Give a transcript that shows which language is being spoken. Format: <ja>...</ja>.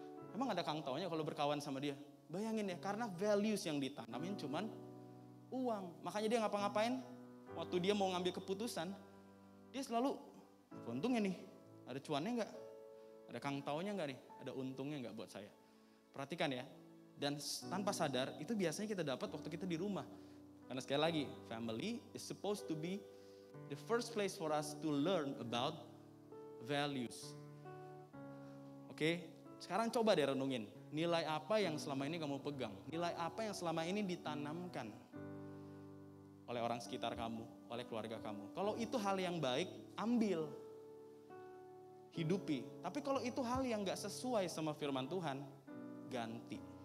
<id>Emang ada kang taunya kalau berkawan sama dia? Bayangin ya, karena values yang ditanamin cuman uang. Makanya dia ngapa-ngapain, waktu dia mau ngambil keputusan, dia selalu, untungnya nih, ada cuannya gak? Ada kang taunya gak nih? Ada untungnya gak buat saya? Perhatikan ya, dan tanpa sadar, itu biasanya kita dapat waktu kita di rumah. Karena sekali lagi,</id> <en>family is supposed to be the first place for us to learn about values.</en> <id>Oke, sekarang coba deh renungin. Nilai apa yang selama ini kamu pegang? Nilai apa yang selama ini ditanamkan oleh orang sekitar kamu, oleh keluarga kamu? Kalau itu hal yang baik, ambil. Hidupi. Tapi kalau itu hal yang gak sesuai sama firman Tuhan, ganti.</id>